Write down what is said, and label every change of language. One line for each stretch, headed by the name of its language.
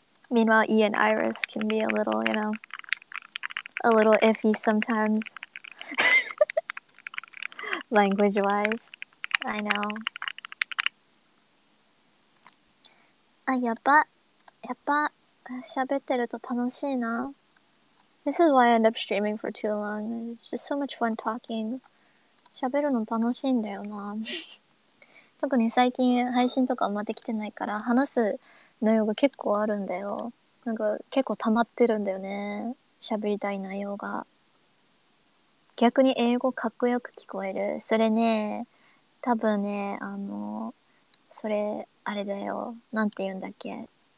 English: Meanwhile, E and Iris can be a little, you know, a little iffy sometimes, language-wise. I know.
Japanese: やっぱ、喋ってると楽しいな。
English: This is why I end up streaming for too long. It's just so much fun talking.
Japanese: 喋るの楽しいんだよな特に最近配信とかあんまできてないから話す内容が結構あるんだよなんか結構溜まってるんだよね喋りたい内容が逆に英語かっこよく聞こえるそれね多分ねそれあれだよなんて言うんだっけ